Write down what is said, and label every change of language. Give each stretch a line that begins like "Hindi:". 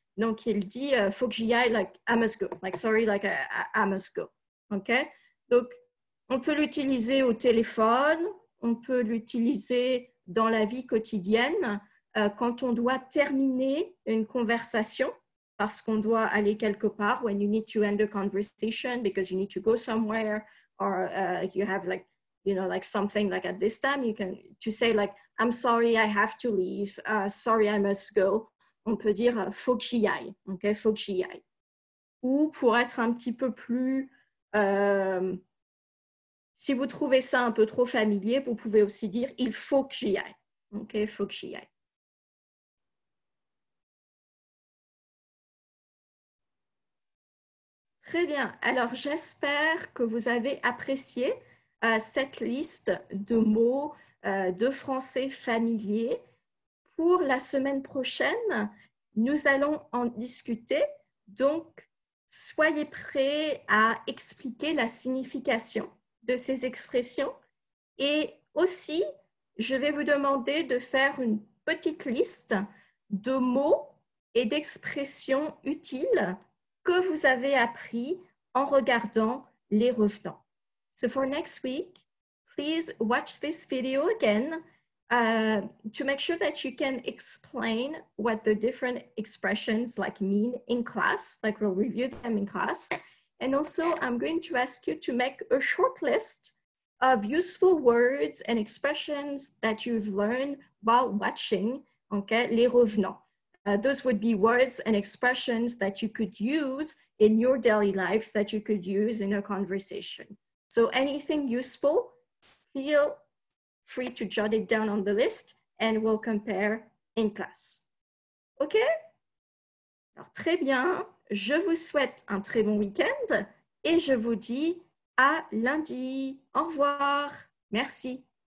French: Donc, il dit « faut que j'y aille,
English: like, I must go, like, sorry, like, I must go ». OK?
French: Donc, on peut l'utiliser au téléphone, on peut l'utiliser dans la vie quotidienne quand on doit terminer une conversation. Parce qu'on doit aller quelque part,
English: when you need to end a conversation, because you need to go somewhere, or you have like, you know, like something like at this time, you can, to say like, I'm sorry, I have to leave, sorry, I must go.
French: On peut dire, faut que j'y aille, ok, faut que j'y aille. Ou pour être un petit peu plus, si vous trouvez ça un peu trop familier, vous pouvez aussi dire, il faut que j'y aille, ok, faut que j'y aille. Très bien. Alors, j'espère que vous avez apprécié cette liste de mots de français familiers. Pour la semaine prochaine, nous allons en discuter. Donc, soyez prêts à expliquer la signification de ces expressions. Et aussi, je vais vous demander de faire une petite liste de mots et d'expressions utiles que vous avez appris en regardant Les Revenants.
English: So for next week, please watch this video again to make sure that you can explain what the different expressions like mean in class, like we'll review them in class. And also, I'm going to ask you to make a short list of useful words and expressions that you've learned while watching, okay, Les Revenants. Those would be words and expressions that you could use in your daily life, that you could use in a conversation. So anything useful, feel free to jot it down on the list and we'll compare in class.
French: OK? Alors, très bien. Je vous souhaite un très bon week-end et je vous dis à lundi. Au revoir. Merci.